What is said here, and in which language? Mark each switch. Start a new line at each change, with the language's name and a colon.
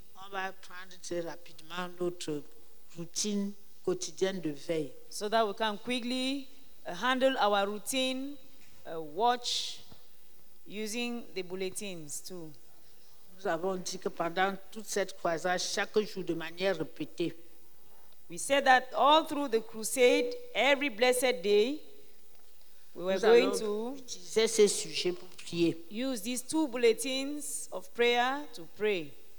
French: On va prendre rapidement notre routine quotidienne de veille.
English: So that we can quickly handle our routine, watch using the bulletins too.
French: Nous avons dit que pendant toute cette croisade, chaque jour de manière répétée.
English: We said that all through the crusade, every blessed day, we were going to
French: utiliser ces sujets pour prier.
English: Use these two bulletins of prayer to pray.